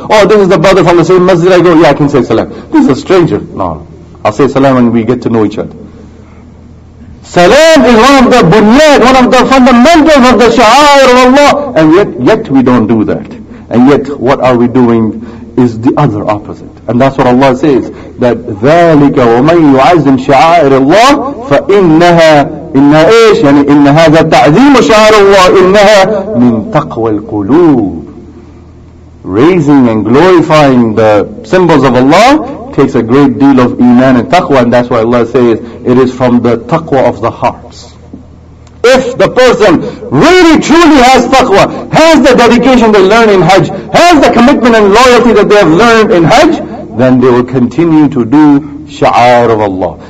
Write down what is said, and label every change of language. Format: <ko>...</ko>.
<en>Oh, this is the brother from the same masjid I go, yeah, I can say salam. This is a stranger. No, I'll say salam when we get to know each other. Salam is one of the bunyad, one of the fundamentals of the sha'air of Allah. And yet we don't do that. And yet what are we doing is the other opposite. And that's what Allah says, that</en> <ar>ذَلِكَ وَمَنْ يُعَزِّمْ شَعَائِرِ اللَّهِ فَإِنَّهَا إِنَّا إِيشْ يعني إِنَّ هَذَا تَعْزِيمُ شَعَارُ اللَّهِ إِنَّهَا مِنْ تَقْوَى الْقُلُوبِ.</ar> <en>Raising and glorifying the symbols of Allah takes a great deal of iman and taqwa, and that's why Allah says it is from the taqwa of the hearts. If the person really truly has taqwa, has the dedication they learn in Hajj, has the commitment and loyalty that they have learned in Hajj, then they will continue to do sha'ar of Allah.</en>